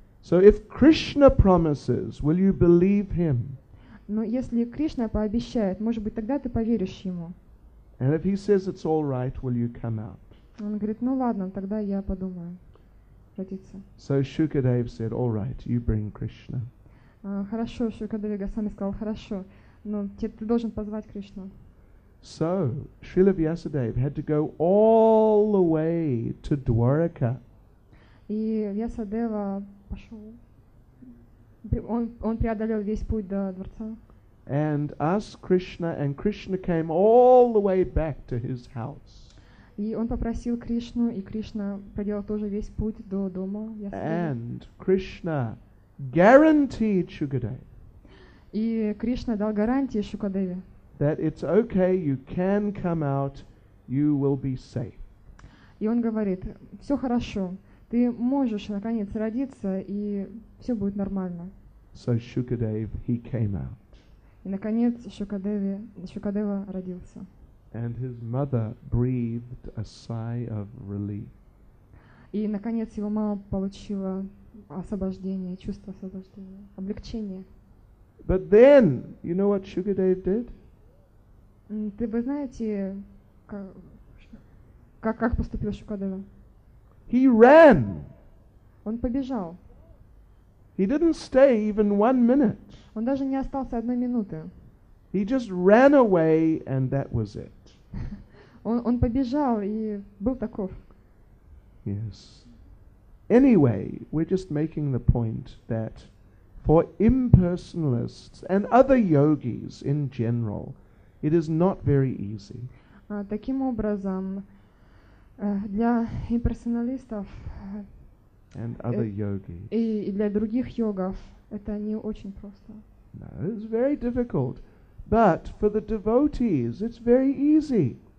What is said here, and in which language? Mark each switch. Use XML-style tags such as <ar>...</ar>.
<en>So if Krishna promises, will you believe him?</en> <ru>Но если Кришна пообещает, может быть, тогда ты поверишь ему.</ru> <en>And if he says it's all right, will you come out?</en> <ru>Он говорит, ну ладно, тогда я подумаю. Родиться.</ru> <en>So Shukadev said, all right, you bring Krishna.</en> <ru>Хорошо, Шукадева Госвами сказал, хорошо, но ты должен позвать Кришну.</ru> <en>So Srila Vyasadeva had to go all the way to Dwarka.</en> <ru>И Вьясадева пошел. Он преодолел весь путь до дворца.</ru> <en>And asked Krishna, and Krishna came all the way back to his house.</en> <ru>И он попросил Кришну, и Кришна проделал тоже весь путь до дома.</ru> <en>And Krishna guaranteed Shukadev.</en> <ru>И Кришна дал гарантии Шукадеве.</ru> <en>That it's okay, you can come out, you will be safe.</en> <ru>И он говорит, все хорошо, ты можешь наконец родиться, и все будет нормально.</ru> <en>So Shukadev, he came out.</en> <ru>И наконец Шукадева родился.</ru> <en>And his mother breathed a sigh of relief.</en> <ru>И наконец его мама получила освобождение, чувство освобождения, облегчение.</ru> <en>But then, you know what Shukadev did?</en> <ru>Ты бы знаете, как поступил Шукадева?</ru> <en>He ran.</en> <ru>Он побежал.</ru> <en>He didn't stay even 1 minute.</en> <ru>Он даже не остался одной минуты.</ru> <en>He just ran away, and that was it.</en> <ru>Он побежал и был таков.</ru> <en>Yes. Anyway, we're just making the point that for impersonalists and other yogis in general, it is not very easy.</en> <ru>Таким образом, для имперсоналистов</ru> <en>and other yogis.</en> <ru>И для других йогов это не очень просто.</ru> <en>No, it's very difficult. But for the devotees, it's very easy.</en>